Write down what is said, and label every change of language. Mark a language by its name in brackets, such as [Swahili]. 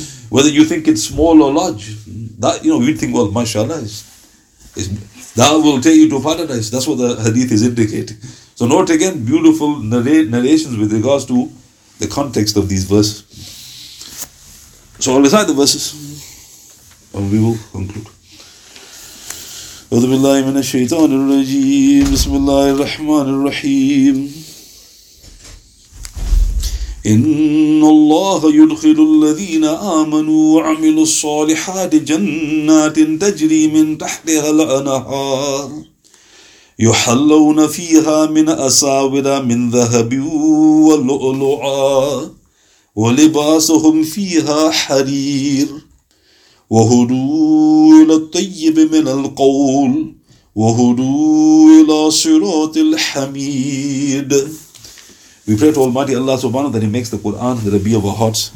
[English] Whether you think it's small or large, that, you know, we think, well, mashallah, that will take you to paradise. That's what the hadith is indicating. So note again, beautiful narrations with regards to the context of these verses. So I'll recite the verses and we will conclude. [Arabic] أعوذ بالله من الشيطان الرجيم بسم الله الرحمن الرحيم إن الله يدخل الذين آمنوا وعملوا الصالحات جنات تجري من تحتها الأنهار يحلون فيها من أساور من ذهب ولؤلؤا ولباسهم فيها حرير وهدوا إلى الطيب من القول وهدوا إلى صراط الحميد. [English] We pray to Almighty Allah [Arabic] subhanahu wa ta'ala [English] that He makes the Quran the Rabbi of our hearts.